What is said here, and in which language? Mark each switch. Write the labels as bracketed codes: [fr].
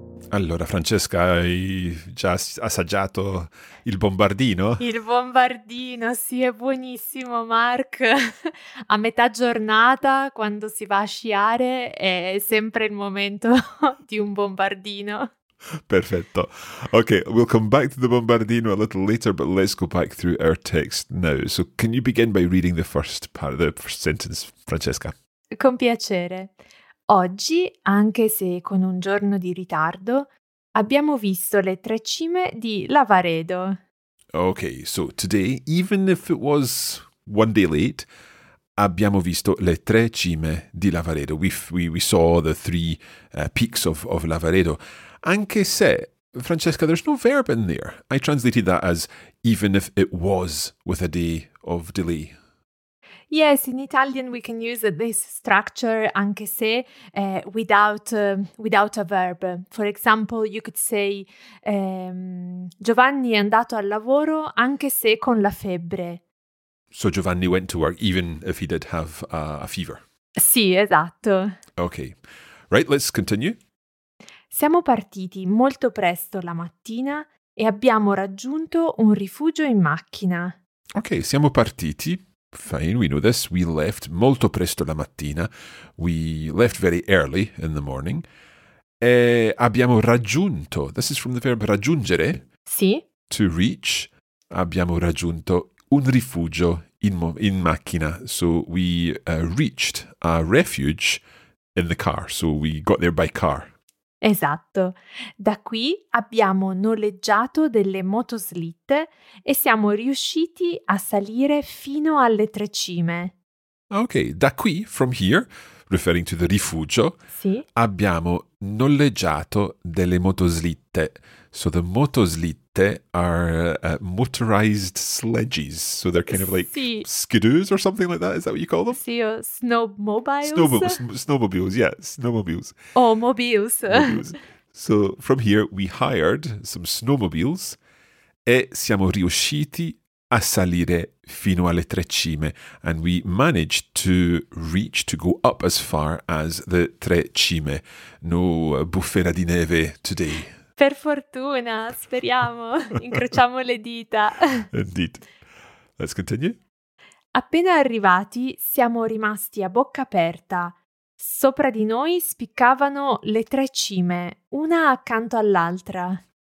[it] Allora, Francesca, hai già assaggiato il bombardino? Il bombardino, sì, è buonissimo, Mark. A metà giornata, quando si va a sciare, è sempre il momento di un bombardino. Perfetto. [en] Okay, we'll come back to the bombardino a little later, but let's go back through our text now. So can you begin by reading the first part, the first sentence, Francesca? [it] Con piacere. Oggi, anche se con un giorno di ritardo, abbiamo visto le tre cime di Lavaredo. [en] Okay, so today, even if it was one day late, [it] abbiamo visto le tre cime di Lavaredo. [en] We saw the three peaks of Lavaredo. Anche se, Francesca, there's no verb in there. I translated that as even if it was with a day of delay. Yes, in Italian we can use this structure, anche se, without a verb. For example, you could say, [it] Giovanni è andato al lavoro anche se con la febbre. [en] So Giovanni went to work even if he did have a fever. [it] Sì, esatto. [en] Okay, right, let's continue. [it] Siamo partiti molto presto la mattina e abbiamo raggiunto un rifugio in macchina. [en] Okay, [it] siamo partiti. [en] Fine, we know this. We left [it] molto presto la mattina. [en] We left very early in the morning. [it] E abbiamo raggiunto. [en] This is from the verb raggiungere. [it] Sì. [en] To reach. [it] Abbiamo raggiunto un rifugio in macchina. [en] So we reached a refuge in the car. So we got there by car. [it] Esatto. Da qui abbiamo noleggiato delle motoslitte e siamo riusciti a salire fino alle tre cime. [en] Ok, [it] da qui, [en] from here, referring to the rifugio, [it] sì, abbiamo noleggiato delle motoslitte. [en] So the motoslitte are motorized sledges. So they're kind of like, [it] sì, [en] skidoos or something like that. Is that what you call them? [it] Sì, o snowmobiles. [en] Snowmobiles, yeah, snowmobiles. Oh, mobiles. Mobiles. So from here, we hired some snowmobiles [it] e siamo riusciti a salire fino alle tre cime. [en] And we managed to reach, to go up as far as the tre cime. [it] No bufera di neve today. Per fortuna, speriamo, incrociamo le dita. [en] Indeed. Let's continue. [it] Appena arrivati, siamo rimasti a bocca aperta. Sopra di noi spiccavano le tre cime, una accanto all'altra.